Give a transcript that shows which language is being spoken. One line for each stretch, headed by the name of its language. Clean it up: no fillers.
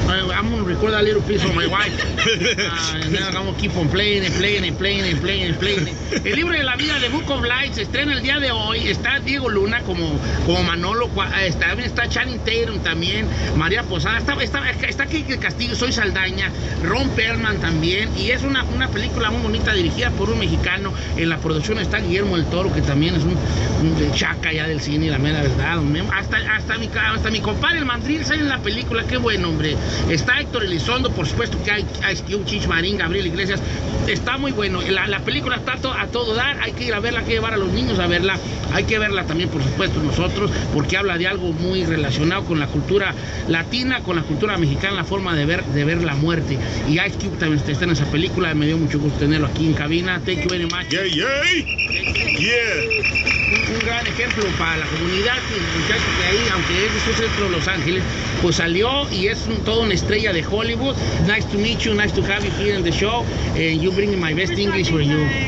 English: I'm gonna record a little piece for my wife, and then I'm gonna keep on playing.
Spanish: El libro de la vida, The Book of Life, se estrena el día de hoy. Está Diego Luna como Manolo, está Channing Tatum también, María Posada, está Kiki Castillo, Soy Saldaña, Ron Perlman también, y es una película muy bonita dirigida por un mexicano. En la producción está Guillermo el Toro, que también es un chaca ya del cine, la mera verdad. Hasta mi compadre, el Mandril, sale en la película. Qué buen hombre. Está Héctor Elizondo, por supuesto que hay Ice Cube, Chich Marín, Gabriel Iglesias. Está muy bueno. La película está a todo dar. Hay que ir a verla, hay que llevar a los niños a verla. Hay que verla también, por supuesto, nosotros, porque habla de algo muy relacionado con la cultura latina, con la cultura mexicana, la forma de ver la muerte. Y Ice Cube también está en esa película. Me dio mucho gusto tenerlo aquí en cabina.
English: Thank you very much. Yeah, yeah. Yeah.
Spanish: Un gran ejemplo para la comunidad, que ahí, aunque es de su centro de Los Ángeles, pues salió y es toda una estrella de Hollywood.
English: Nice to meet you, nice to have you here in the show, and you bring my best English for you.